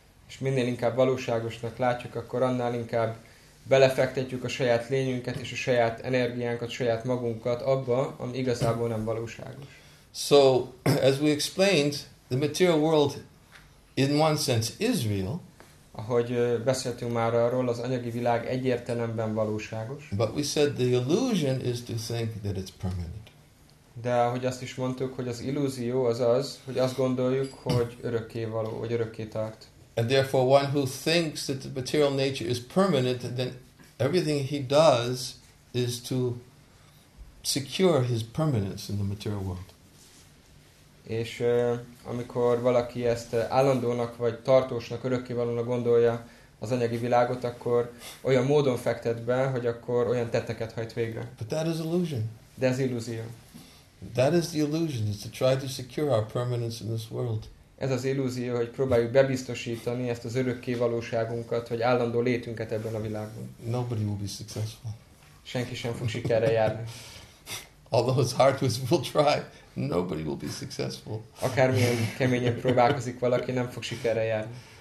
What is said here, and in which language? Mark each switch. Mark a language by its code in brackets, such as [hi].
[hu] És minél inkább valóságosnak látjuk, akkor annál inkább belefektetjük a saját lényünket és a saját energiánkat, saját magunkat abba, ami igazából nem valóságos. [en] So, as we explained, the material world, in one sense, is real. [hu] Ahogy beszéltünk már arról, az anyagi világ egyértelműen valóságos. [en] But we said the illusion is to think that it's permanent. [hu] De ahogy azt is mondtuk, hogy az illúzió az az, hogy azt gondoljuk, hogy örökké való, hogy örökké tart. [en] And therefore, one who thinks that the material nature is permanent, then everything he does is to secure his permanence in the material world. [hu] És amikor valaki ezt állandónak, vagy tartósnak, örökkévalónak gondolja az anyagi világot, akkor olyan módon fektet be, hogy akkor olyan tetteket hajt végre. [en] But that is illusion. [hu] De ez illúzió. [en] That is the illusion, is to try to secure our permanence in this world. [hu] Ez az illúzió, hogy próbáljuk bebiztosítani ezt az örökkévalóságunkat, hogy állandó létünket ebben a világban. [en] Nobody will be successful. [hu] Senki sem fog sikerre járni. [en] Although it's hard to, we'll try. Nobody will be successful. [hu] Akármilyen keményen próbálkozik valaki, nem fog sikerre járni.